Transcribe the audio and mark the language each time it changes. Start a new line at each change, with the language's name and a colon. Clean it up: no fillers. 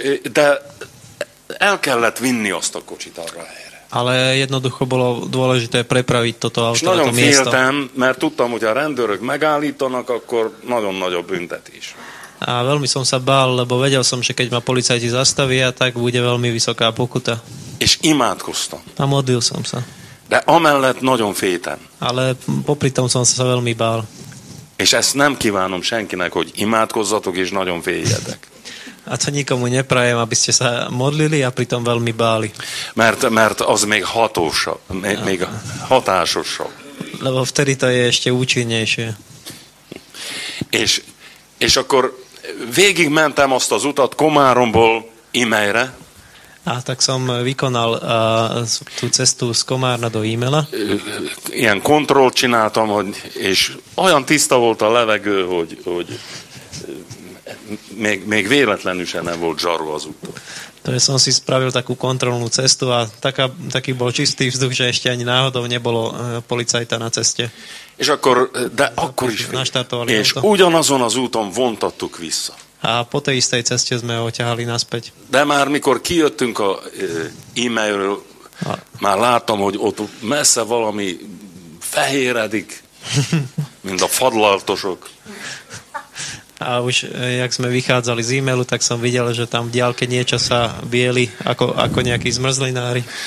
Hungarian: De el kellett vinni azt a kocsit arra helyre.
Slovak: Ale jednoducho bolo dôležité prepraviť toto auto na to miesto.
Hungarian: Féltem, mert tudtam, hogy a rendőrök megállítanak, akkor nagyon nagy a büntetés.
Slovak: A veľmi som sa bál, lebo vedel som, že keď ma policajti zastavia, tak bude veľmi vysoká pokuta.
Hungarian: És imádkoztam.
Slovak: A modlil som sa.
Hungarian: De amellett nagyon féltem.
Slovak: Ale popri tom som sa veľmi bál.
Hungarian: És ezt nem kívánom senkinek, hogy imádkozzatok és nagyon féljetek.
Slovak: A to nikomu neprajem, aby ste sa modlili a pritom veľmi báli.
Hungarian: Mert az még hatósabb, még hatásosabb.
Slovak: Lebo vtedy to je ešte účinnejšie.
Hungarian: És akkor végig mentem azt az utat Komáromból Imelyre.
Slovak: A tak som vykonal tú cestu z Komárna do Imela.
Hungarian: Ilyen kontrollt csináltam, hogy, és olyan tiszta volt a levegő, hogy még véletlenül se nem volt zsaru az úton.
Slovak: To som si spravil takú kontrolnú cestu a taký bol čistý vzduch, že ešte ani náhodou nebolo policajta na ceste.
Hungarian: És akkor, de akkor is
Slovak: naštartovali
Hungarian: és auto. Ugyanazon az úton vontattuk vissza.
Slovak: A po tej istej ceste sme ho ťahali naspäť.
Hungarian: De már mikor kijöttünk a e-mailről, már látom, hogy ott messze valami fehéredik, mint a fadlaltosok.
Slovak: A už, jak sme vychádzali z e-mailu, tak som videl, že tam v diálke niečo sa bieli, ako nejakí zmrzlinári.